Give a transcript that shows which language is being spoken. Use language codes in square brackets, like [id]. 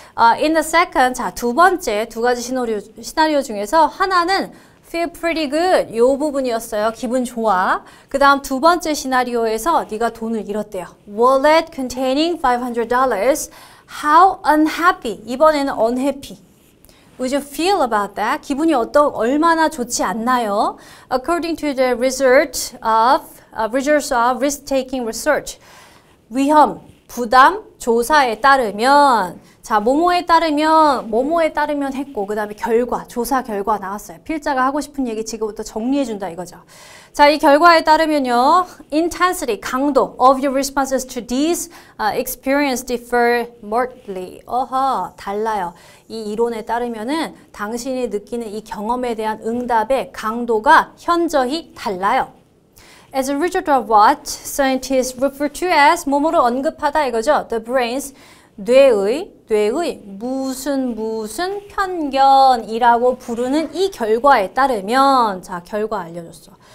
[en] In the second, [ko] 자, 두 번째 두 가지 시나리오 중에서 하나는 [en] feel pretty good [ko] 요 부분이었어요. 기분 좋아. 그 다음 두 번째 시나리오에서 네가 돈을 잃었대요. [en] Wallet containing $500. How unhappy? [ko] 이번에는 [en] unhappy. Would you feel about that? [ko] 기분이 얼마나 좋지 않나요? [en] According to the result of, results of risk-taking research. [ko] 위험, 부담, 조사에 따르면 자, 뭐뭐에 따르면 했고 그 다음에 결과, 조사 결과 나왔어요. 필자가 하고 싶은 얘기 지금부터 정리해준다 이거죠. 자, 이 결과에 따르면요. [en] Intensity, [ko] 강도 [en] of your responses to these experience differ markedly. [ko] 어허, 달라요. 이 이론에 따르면은 당신이 느끼는 이 경험에 대한 응답의 강도가 현저히 달라요. [en] As a result of what scientists refer to as [ko] 뭐뭐로 언급하다 이거죠. [en] The brain's [ko] 뇌의 무슨 무슨 편견이라고 부르는 이 결과에 따르면 자 결과 알려줬어.